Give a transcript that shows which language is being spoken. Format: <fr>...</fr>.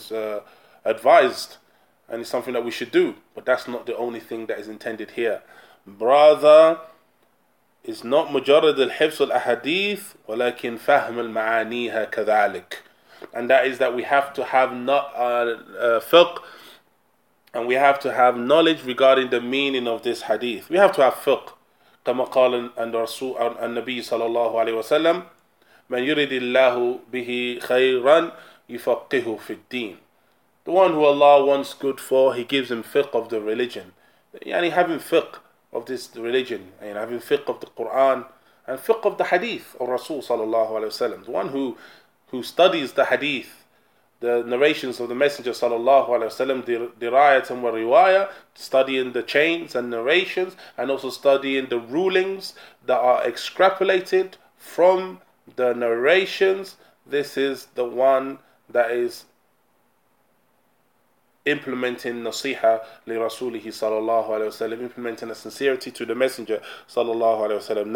<en>It is advised, and it's something that we should do. But that's not the only thing that is intended here. Brother, it's not</en> <ar>مجرد الحفظ الأحاديث ولكن فهم المعانيها كذلك.</ar> <en>And that is that we have to have not fiqh, and we have to have knowledge regarding the meaning of this hadith. We have to have fiqh.</en> <ar>كما قال النبي صلى الله عليه وسلم من يريد الله به خيرا يفقهه في الدين.</ar> <en>The one who Allah wants good for, He gives him fiqh of the religion. Yani having fiqh of this religion, and having fiqh of the Quran, and fiqh of the hadith of Rasul sallallahu alayhi wa sallam. The one who studies the hadith, the narrations of the Messenger sallallahu alayhi wa sallam, dirayatan wa riwayah, studying the chains and narrations, and also studying the rulings that are extrapolated from the narrations, this is the one that is implementing nasiha li rasulihi sallallahu alayhi wa sallam, implementing a sincerity to the messenger sallallahu alayhi wa sallam.</en>